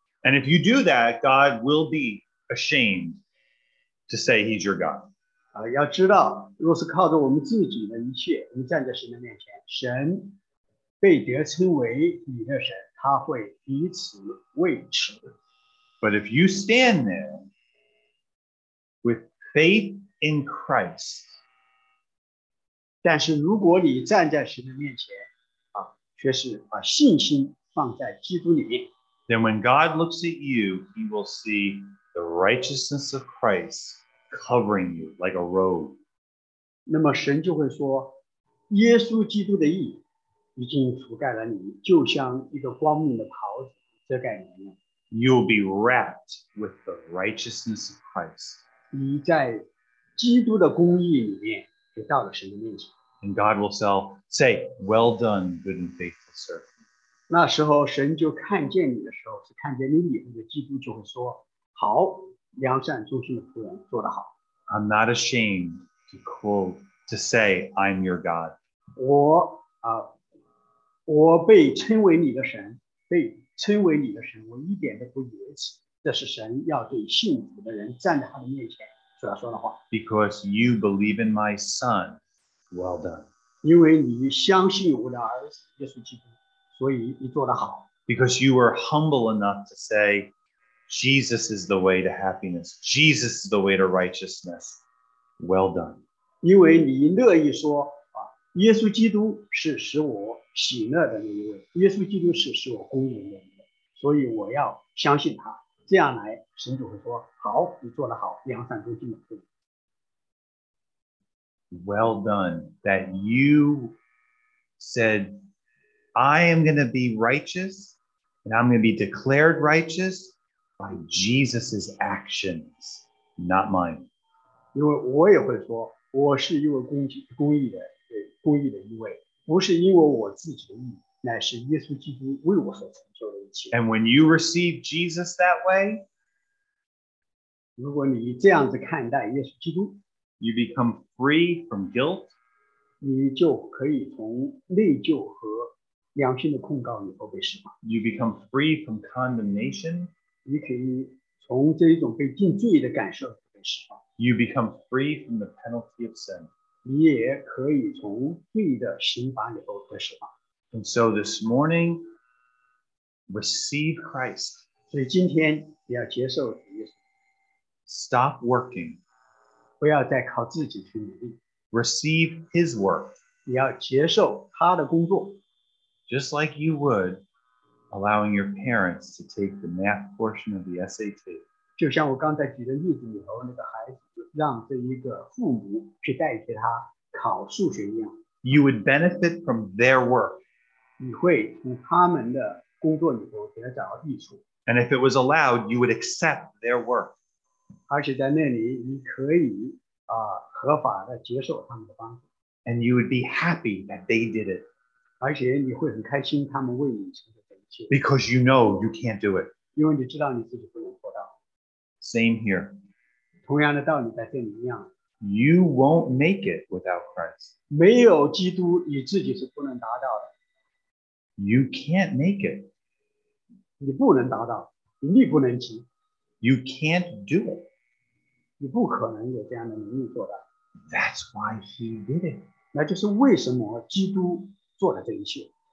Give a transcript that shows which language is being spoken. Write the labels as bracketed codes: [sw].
[en] And if you do that, God will be ashamed to say he's your God. [zh] 要知道，若是靠着我们自己的一切，我们站在神的面前，神被得称为你的神，他会以此为耻。 [en] But if you stand there with faith in Christ, [zh] 但是如果你站在神的面前，却是把信心放在基督里面。 [en] Then when God looks at you, he will see the righteousness of Christ covering you like a robe. [zh] 那么神就会说，耶稣基督的义已经覆盖了你，就像一个光明的袍子遮盖你了。 [en] You'll be wrapped with the righteousness of Christ. [zh] 你在基督的公义里面就到了神的面前。 [en] And God will say, well done, good and faithful servant. [zh] 那时候神就看见你的时候，是看见你里面的基督，就会说，好，良善忠心的仆人，做得好。 [en] I'm not ashamed to say, I'm your God. [zh] 我被称为你的神，被称为你的神，我一点都不惧怕。这是神要对信主的人站在他的面前所要说的话。 [en] Because you believe in my son. Well done. [zh] 因为你相信我的儿子耶稣基督，所以你做得好。 [en] Because you were humble enough to say, Jesus is the way to happiness. Jesus is the way to righteousness. Well done. [zh] 因为你乐意说，耶稣基督是使我喜乐的那一位，耶稣基督是使我公义的那一位，所以我要相信他。这样来，神就会说，好，你做得好，良善忠心的仆人。 [en] Well done, that you said, I am going to be righteous, and I'm going to be declared righteous by Jesus' actions, not mine. [zh] 因为我也会说，我是因为公义的一位，不是因为我自己的义，乃是耶稣基督为我所成就的一切。 [en] And when you receive Jesus that way, [zh] 如果你这样子看待耶稣基督， [en] You become free from guilt. [zh] 你就可以从内疚和良心的控告以后被释放。 [en] You become free from condemnation. [zh] 你可以从这一种被定罪的感受被释放。 [en] You become free from the penalty of sin. [zh] 你也可以从罪的刑罚以后被释放。 [en] And so this morning, receive Christ. [zh] 所以今天你要接受耶稣。 [en] Stop working. [zh] 不要再靠自己去努力。 [en] Receive his work. [zh] 你要接受他的工作。 [en] Just like you would allowing your parents to take the math portion of the SAT. [zh] 就像我刚才举的例子里头那个孩子让这一个父母去代替他考数学一样。 [en] You would benefit from their work. [zh] 你会从他们的工作里头得到益处。 [en] And if it was allowed, you would accept their work. [zh] 而且在那里你可以合法的接受他们的帮助。 [en] And you would be happy that they did it. [zh] 而且你会很开心他们为你成就这一切。 [en] Because you know you can't do it. [zh] 因为你知道你自己不能做到。 [en] Same here. [zh] 同样的道理在这里一样。 [en] You won't make it without Christ. [zh] 没有基督你自己是不能达到的。 [en] You can't make it. [zh] 你不能达到，你力不能及。 [en] You can't do it. [zh] 你不可能有这样的能力做到。 [en] That's why he did it. [zh] 那就是为什么基督做了这一切。